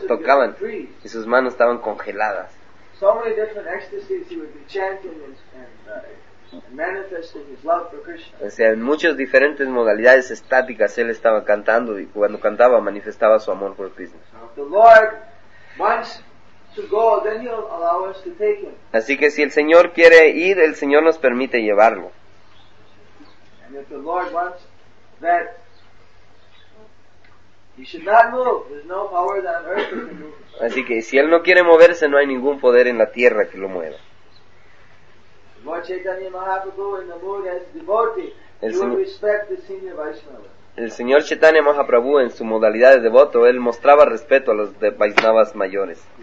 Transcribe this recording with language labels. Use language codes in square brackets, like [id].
[es] que lo tocaban y sus manos estaban congeladas. [en] So many different ecstasies he would be chanting and manifesting his love for Krishna. [es] O sea, en muchas diferentes modalidades estáticas él estaba cantando y cuando cantaba manifestaba su amor por Krishna. [en] So the Lord wants to go, then he'll allow us to take him. [es] Así que si el Señor quiere ir, el Señor nos permite llevarlo. [en] And if the Lord wants that, he should not move. There's no power on earth that can move. [es] Así que si él no quiere moverse, no hay ningún poder en la tierra que lo mueva. [en] Lord Chaitanya Mahaprabhu in the mood as devotee, he will respect the senior Vaishnava. [es] El Señor Chaitanya Mahaprabhu en su modalidad de devoto, él mostraba respeto a los de Vaisnavas mayores.